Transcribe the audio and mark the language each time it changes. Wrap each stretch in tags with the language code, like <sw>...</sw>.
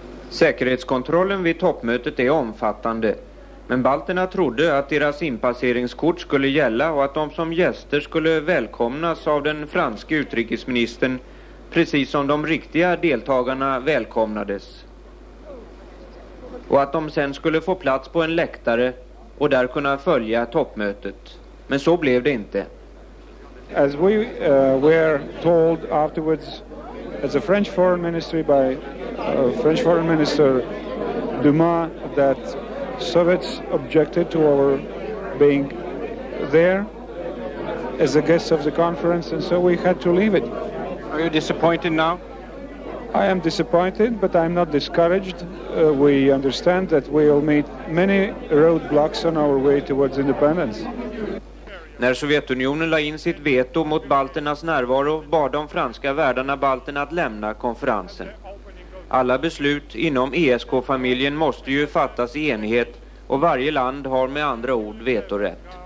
<sv>Säkerhetskontrollen vid toppmötet är omfattande. Men balterna trodde att deras inpasseringskort skulle gälla och att de som gäster skulle välkomnas av den franske utrikesministern, precis som de riktiga deltagarna välkomnades. Och att de sen skulle få plats på en läktare och där kunna följa toppmötet. Men så blev det inte.</sv> <en>As we were told afterwards, as a French foreign ministry by French foreign minister Dumas, that Soviets objected to our being there as a guest of the conference, and so we had to leave it. Are you disappointed now? I am disappointed, but I'm not discouraged. We understand that we'll meet many roadblocks on our way towards independence.</en> <sv>När Sovjetunionen la in sitt veto mot balternas närvaro bad de franska värdarna balterna att lämna konferensen. Alla beslut inom ESK-familjen måste ju fattas i enighet och varje land har med andra ord vetorätt.</sv>